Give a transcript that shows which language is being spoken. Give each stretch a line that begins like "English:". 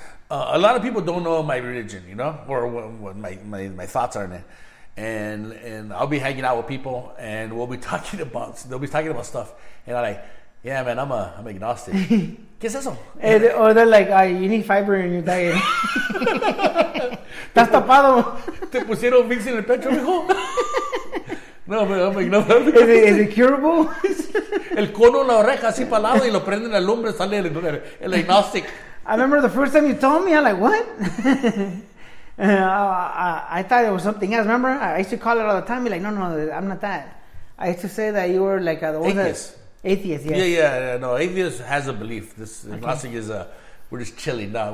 English: A lot of people don't know my religion, you know, or what my thoughts are in it. And I'll be hanging out with people, and we'll be talking about stuff, and I'm like, yeah, man, I'm agnostic.
Spanish: ¿Qué es eso?
English: Or they're like, you need fiber in your diet.
Spanish: ¿Estás tapado? ¿Te pusieron mix en el pecho, mijo?
English: No, man, I'm agnostic. Is it curable?
Spanish: El cono en la oreja, así para lado, y lo prenden la lumbre, sale el agnostic.
English: I remember the first time you told me, I'm like, what? I thought it was something else. Remember, I used to call it all the time. Be like, no, I'm not that. I used to say that you were like... Atheist. Atheist, yes. Yeah. No, atheist has a belief. This agnostic is a We're just chilling now.